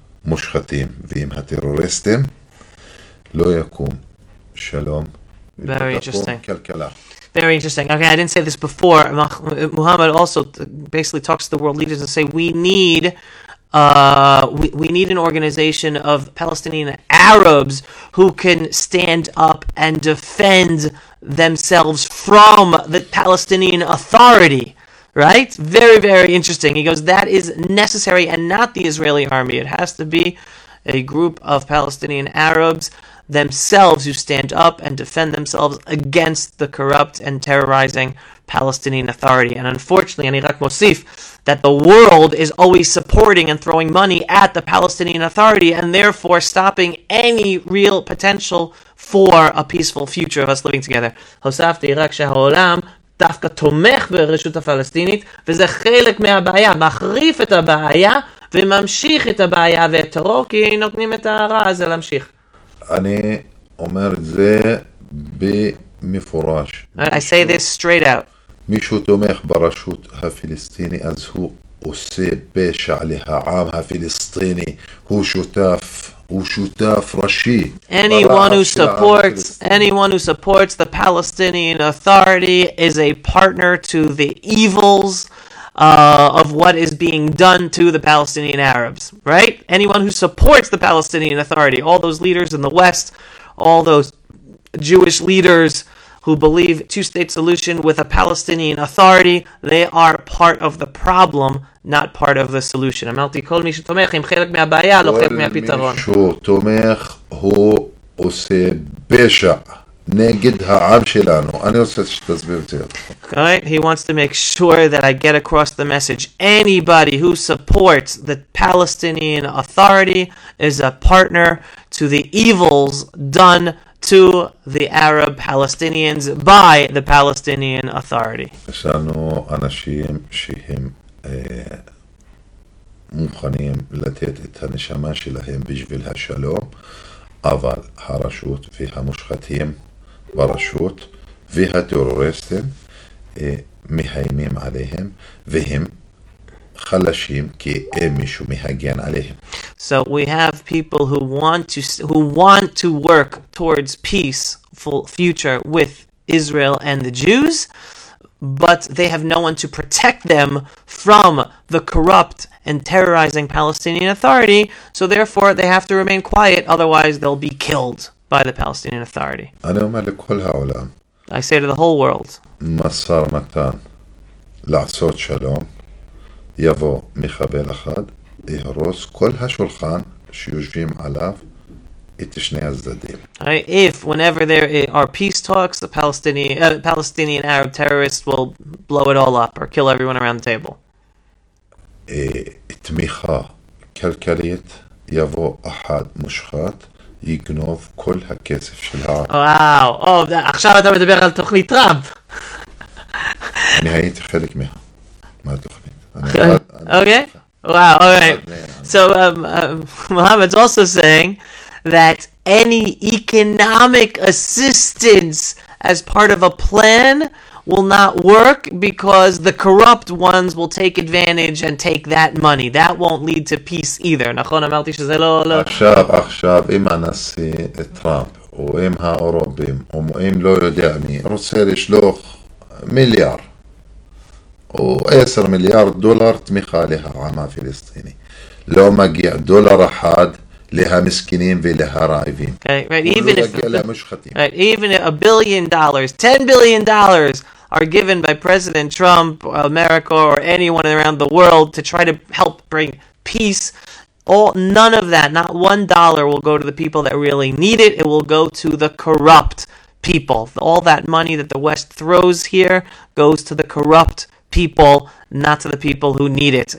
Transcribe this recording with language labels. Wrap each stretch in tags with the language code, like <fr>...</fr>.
<he>מושחתים ועם הטרוריסטים לא יקום שלום.</he> <en>Very interesting.</en> <he>כלכלה.</he> <en>Very interesting. Okay, I didn't say this before. Muhammad also basically talks to the world leaders and say we need an organization of Palestinian Arabs who can stand up and defend themselves from the Palestinian Authority. Right? Very, very interesting. He goes, that is necessary and not the Israeli army. It has to be a group of Palestinian Arabs themselves who stand up and defend themselves against the corrupt and terrorizing Palestinian Authority. And unfortunately,</en> <he>אני רק מוסיף,</he> <en>that the world is always supporting and throwing money at the Palestinian Authority and therefore stopping any real potential for a peaceful future of us living together.</en> <he>הוספתי רק שהעולם... דווקא תומך ברשות הפלסטינית, וזה חלק מהבעיה, מחריף את הבעיה, וממשיך את הבעיה ואת הרוב, כי נותנים את הרע הזה להמשיך. אני אומר את זה מפורש.</he> <en>I say this straight out.</en> <he>מישהו תומך ברשות הפלסטיני, אז הוא עושה פשע לעם הפלסטיני. הוא שותף.</he> <en>Anyone who supports the Palestinian Authority is a partner to the evils of what is being done to the Palestinian Arabs, right? Anyone who supports the Palestinian Authority, all those leaders in the West, all those Jewish leaders who believe two-state solution with a Palestinian Authority, they are part of the problem, not part of the solution.</en> <he>אמרתי, כל מי שתומך, אם חלק מהבעיה, לא חלק מהפתרון. כל מי שתומך, הוא עושה פשע נגד העם שלנו. אני רוצה שתסביר את זה.</he> <en>Right? He wants to make sure that I get across the message. Anybody who supports the Palestinian Authority is a partner to the evils done to the Arab Palestinians by the Palestinian Authority.</en> <he>יש לנו אנשים שהם מוכנים לתת את הנשמה שלהם בשביל השלום, אבל הרשות והמושחתים ברשות והטרוריסטים מהיימים עליהם והם חלשים כי אין מישהו מהגן עליהם.</he> <en>So we have people who want to work towards peaceful future with Israel and the Jews, but they have no one to protect them from the corrupt and terrorizing Palestinian Authority, so therefore they have to remain quiet, otherwise they'll be killed by the Palestinian Authority.</en> <he>אני אומר לכל העולם,</he> <en>I say to the whole world,</en> <he>מסר מתן לעשות שלום, יבוא מחבל אחד, יהרוס כל השולחן שיושבים עליו,</he> <en>right. If whenever there are peace talks, the Palestinian Arab terrorist will blow it all up or kill everyone around the table.</en> <he>תמיכה כלכלית, יבוא אחד מושחת, יגנוב כל הכסף של העם.</he> <en>Wow.</en> <he>Oh, עכשיו אתה מדבר על תוכנית טראמפ. אני הייתי חלק מהתוכנית.</he> <en>Okay. Wow. All right. So Mohammed's also saying that any economic assistance as part of a plan will not work because the corrupt ones will take advantage and take that money. That won't lead to peace either.</en> <he>נכון, אמרתי שזה לא... עכשיו, אם הנשיא טראמפ או אם האורובים או אם לא יודע מי רוצה לשלוח מיליארד או 10 מיליארד דולר תמיכה לעם הפלסטיני, לא מגיע דולר אחד להמסכנים ולהרעבים.</he> <en>Even if $1 billion, $10 billion are given by President Trump, America, or anyone around the world to try to help bring peace, none of that, not $1 will go to the people that really need it. It will go to the corrupt people. All that money that the West throws here goes to the corrupt people, not to the people who need it.</en>